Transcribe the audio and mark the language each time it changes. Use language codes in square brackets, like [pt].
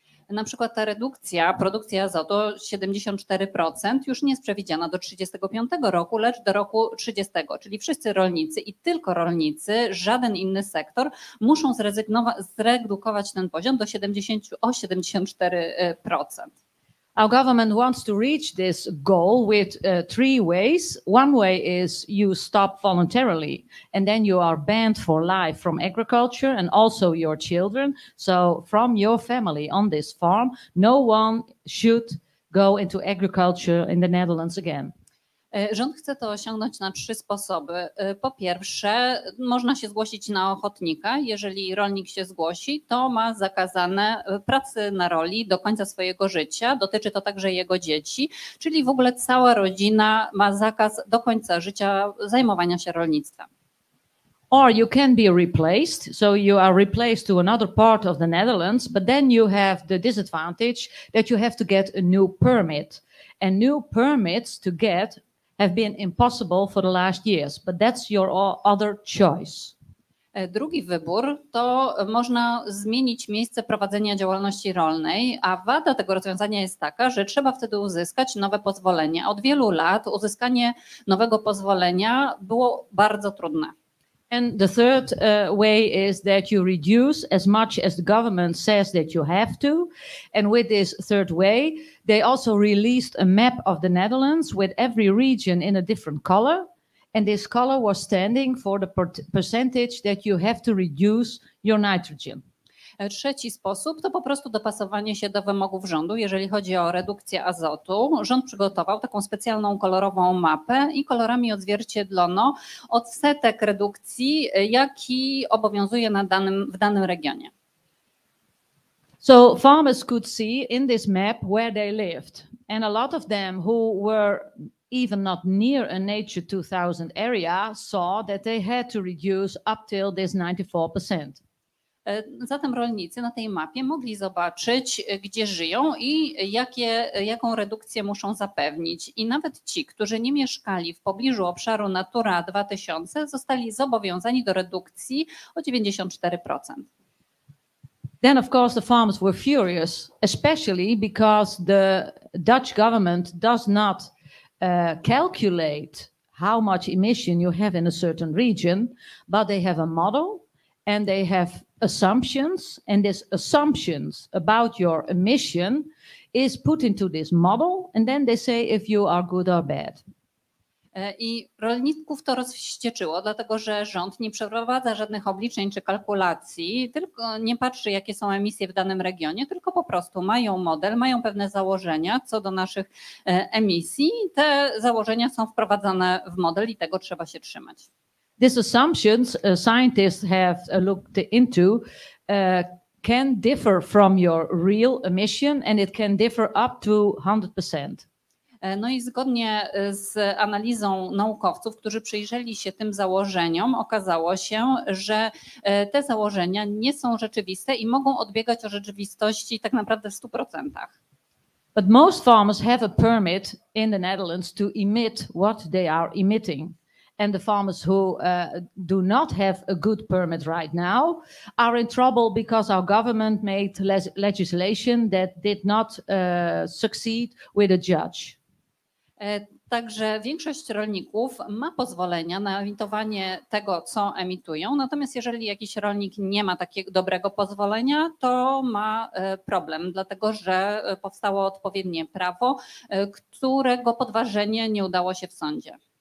[pl] Na przykład ta redukcja produkcji azotu 74% już nie jest przewidziana do 35 roku, lecz do roku 30, czyli wszyscy rolnicy i tylko rolnicy, żaden inny sektor, muszą zredukować ten poziom do 74%. [en] Our government wants to reach this goal with three ways. One way is you stop voluntarily and then you are banned for life from agriculture and also your children. So from your family on this farm, no one should go into agriculture in the Netherlands again. [pl] Rząd chce to osiągnąć na 3 sposoby. Po pierwsze, można się zgłosić na ochotnika. Jeżeli rolnik się zgłosi, to ma zakazane pracy na roli do końca swojego życia. Dotyczy to także jego dzieci, czyli w ogóle cała rodzina ma zakaz do końca życia zajmowania się rolnictwem. [en] Or you can be replaced, so you are replaced to another part of the Netherlands, but then you have the disadvantage that you have to get a new permit. And new permits to get have been impossible for the last years, but that's your other choice. [pl] Drugi wybór to można zmienić miejsce prowadzenia działalności rolnej, a wada tego rozwiązania jest taka, że trzeba wtedy uzyskać nowe pozwolenie. Od wielu lat uzyskanie nowego pozwolenia było bardzo trudne. [en] And the third way is that you reduce as much as the government says that you have to. And with this third way, they also released a map of the Netherlands with every region in a different color. And this color was standing for the percentage that you have to reduce your nitrogen. [pl] Trzeci sposób to po prostu dopasowanie się do wymogów rządu. Jeżeli chodzi o redukcję azotu, rząd przygotował taką specjalną kolorową mapę i kolorami odzwierciedlono odsetek redukcji, jaki obowiązuje w danym regionie. [en] So farmers could see in this map where they lived, and a lot of them who were even not near a Nature 2000 area saw that they had to reduce up till this 94%. [pl] Zatem rolnicy na tej mapie mogli zobaczyć, gdzie żyją i jaką redukcję muszą zapewnić. I nawet ci, którzy nie mieszkali w pobliżu obszaru Natura 2000, zostali zobowiązani do redukcji o 94%. [en] Then of course the farmers were furious, especially because the Dutch government does not calculate how much emission you have in a certain region, but they have a model and they have assumptions, and these assumptions about your emission is put into this model, and then they say if you are good or bad. [pl] I rolników to rozwścieczyło, dlatego że rząd nie przeprowadza żadnych obliczeń czy kalkulacji, tylko nie patrzy, jakie są emisje w danym regionie, tylko po prostu mają model, mają pewne założenia co do naszych emisji. Te założenia są wprowadzane w model i tego trzeba się trzymać. [en] These assumptions scientists have looked into can differ from your real emission, and it can differ up to 100%. [pl] No i zgodnie z analizą naukowców, którzy przyjrzeli się tym założeniom, okazało się, że te założenia nie są rzeczywiste i mogą odbiegać od rzeczywistości tak naprawdę w 100%. [en] But most farmers have a permit in the Netherlands to emit what they are emitting. And the farmers who do not have a good permit right now are in trouble because our government made legislation that did not succeed with a judge. [pl] Także większość rolników ma pozwolenia na emitowanie tego, co emitują, natomiast jeżeli jakiś rolnik nie ma takiego dobrego pozwolenia, to ma problem, dlatego że powstało odpowiednie prawo, którego podważenie nie udało się w sądzie.